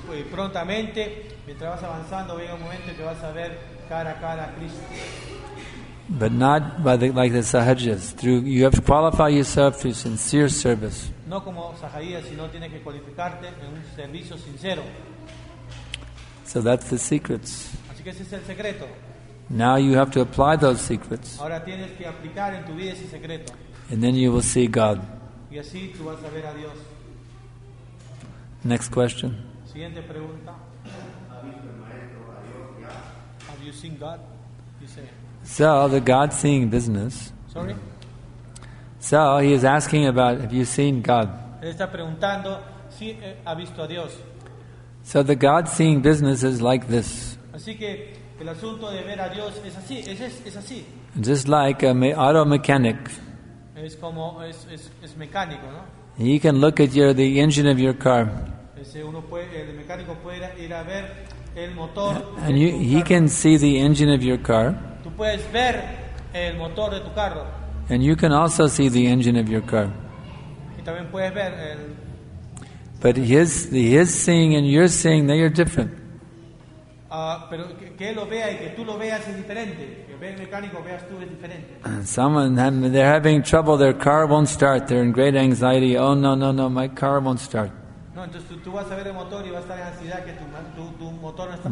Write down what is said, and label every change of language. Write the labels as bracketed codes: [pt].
[es] Prontamente, mientras vas avanzando, llega un momento que vas a ver cara a cara a Cristo. [en] But not by the, like the sahajas. Through, you have to qualify yourself through sincere service. [es] No como sahajas, sino tienes que cualificarte en un servicio sincero. [en] So that's the secrets. [es] Así que ese es el secreto. [en] Now you have to apply those secrets. [es] Ahora tienes que aplicar en tu vida ese secreto. [en] And then you will see God. [es] Y así tú vas a ver a Dios. [en] Next question. [es] Siguiente pregunta. [en] Have you seen God? You say. So, the God-seeing business. Sorry? So, he is asking about, have you seen God? [es] Él está preguntando si ha visto a Dios. [en] So, the God-seeing business is like this. [es] Así que el asunto de ver a Dios es así, es así. [en] Just like an auto mechanic. [es] Es como, es mecánico, ¿no? [en] He can look at your, the engine of your car. [es] Ese uno puede, el mecánico puede ir a ver el motor. [en] And you, he can see the engine of your car. [es] Puedes ver el motor de tu carro. [en] And you can also see the engine of your car. [es] Y también puedes ver el... [en] But his seeing and your seeing, they are different. [es] Pero que él lo vea y que tú lo veas es diferente. Que ve el mecánico, veas tú es diferente. [en] And someone, and they're having trouble, their car won't start. They're in great anxiety. Oh, no, no, no, my car won't start. [es] No, entonces tú vas a ver el motor y vas a estar en ansiedad que tu motor no está.